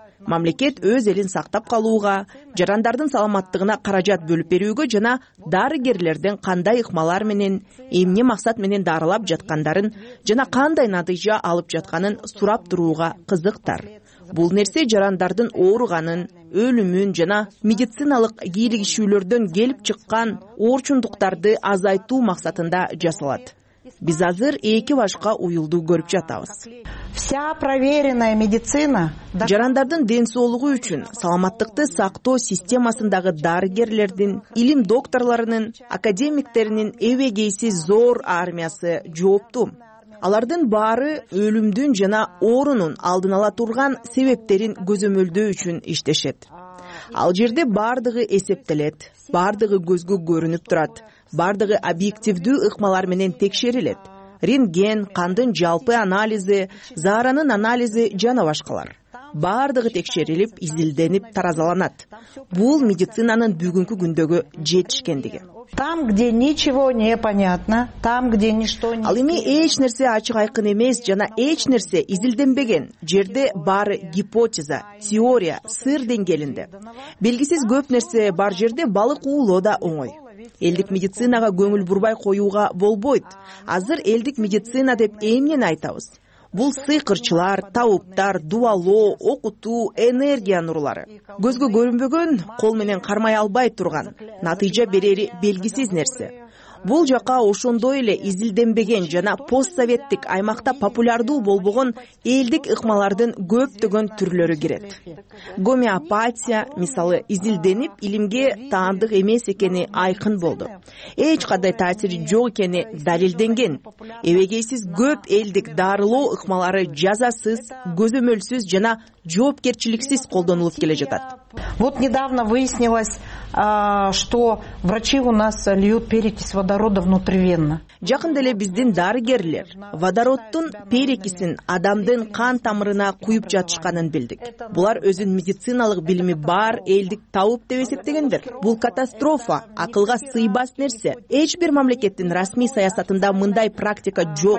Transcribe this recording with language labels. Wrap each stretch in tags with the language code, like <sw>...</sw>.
<ky>Мамлекет өз элин сактап калууга, жарандардын саламаттыгына каражат бөлүп берүүгө жана дарыгерлерден кандай ыкмалар менен, эмне максат менен дарылап жаткандарын жана кандай натыйжа алып жатканын сурап турууга кызыктар. Бул нерсе жарандардын ооруганын, өлүмүн жана медициналык кийлигишүүлөрдөн келип чыккан оорчундуктарды азайтуу максатында жасалат. Биз азыр эки башка уюлду көрүп жатабыз.</ky> <ru>Вся проверенная медицина.</ru> <ky>Жарандардын ден соолугу үчүн саламаттыкты сактоо системасындагы дарыгерлердин, илим докторлорунун, академиктеринин эбегейси зор армиясы жооптуу. Алардын баары өлүмдүн жана оорунун алдын ала турган себептерин көзөмөлдөө үчүн иштешет. Ал жерде бардыгы эсептелет, бардыгы көзгө көрүнүп турат, бардыгы объективдүү ыкмалар менен текшерилет. Рентген, кандын жалпы анализи, заранын анализи жана башкалар. Бардыгы текшерилип, изилденип, таразаланат. Бул медицинанын бүгүнкү күндөгү жетишкендиги.</ky> <ru>Там, где ничего не понятно, там, где ничто не.</ru> <ky>Ал эми эч нерсе ачык айкын эмес жана эч нерсе изилденбеген жерде баары гипотеза, теория, сыр деңгээлинде. Белгисиз көп нерсе бар жерде балык уулоо да оңой. Элдик медицинага көңүл бурбай коюуга болбойт. Азыр элдик медицина деп эмнени айтабыз? Бул сыйкырчылар, табыптар, дуалоо, окутуу, энергия нурлары. Көзгө көрүнбөгөн, кол менен кармай албай турган, натыйжа берери белгисиз нерсе. Бул жака ошондой эле изилденбеген жана постсоветтик аймакта популярдуу болбогон элдик ыкмалардын көптөгөн түрлөрү кирет. Гомеопатия, мисалы, изилденип, илимге таандык эмес экени айкын болду. Эч кандай таасири жок экени далилденген. Эбегейсиз көп элдик дарылоо ыкмалары жазасыз, көзөмөлсүз жана жоопкерчиликсиз колдонулуп келе жатат.</ky> <ru>Вот недавно выяснилось, что врачи у нас льют перекись водорода внутривенно.</ru> <ky>Жакында эле биздин дарыгерлер водороддун перекисин адамдын кан тамырына куюп жатышканын билдик. Булар өзүн медициналык билими бар элдик табып деп эсептегендер. Бул катастрофа, акылга сыйбас нерсе. Эч бир мамлекеттин расмий саясатында мындай практика жок.</ky>